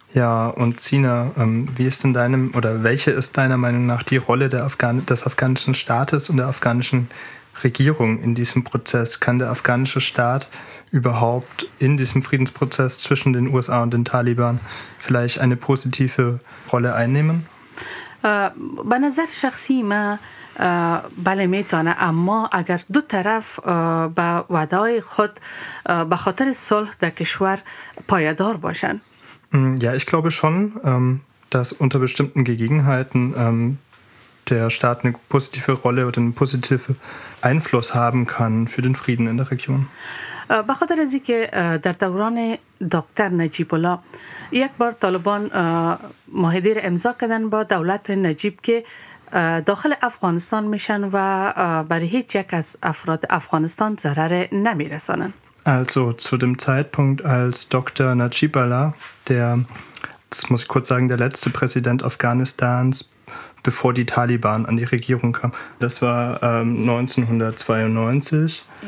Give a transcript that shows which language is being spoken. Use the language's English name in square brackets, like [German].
[German] Ja, und Sina, wie ist in deinem oder welche ist deiner Meinung nach die Rolle des afghanischen Staates und der afghanischen Regierung in diesem Prozess? Kann der afghanische Staat überhaupt in diesem Friedensprozess zwischen den USA und den Taliban vielleicht eine positive Rolle einnehmen? Bei einer sehr schachsima [Persian] بله میتونه، اما اگر دو طرف به وعده‌های خود به خاطر صلح در کشور پایدار باشن. [German] Ja, ich glaube schon, dass unter bestimmten Gegebenheiten der Staat eine positive Rolle oder einen positiven Einfluss haben kann für den Frieden in der Region. [Persian] به خاطر از اینکه در دوران دکتر نجیب الله یک بار طالبان معاهده را امضا کردن با دولت نجیب که داخل افغانستان میشن و برای هیچ یک از افراد افغانستان ضرر نمیرسانن. [German] Also zu dem Zeitpunkt, als Dr. Najib Allah, der, das muss ich kurz sagen, der letzte Präsident Afghanistans, bevor die Taliban an die Regierung kam, das war 1992.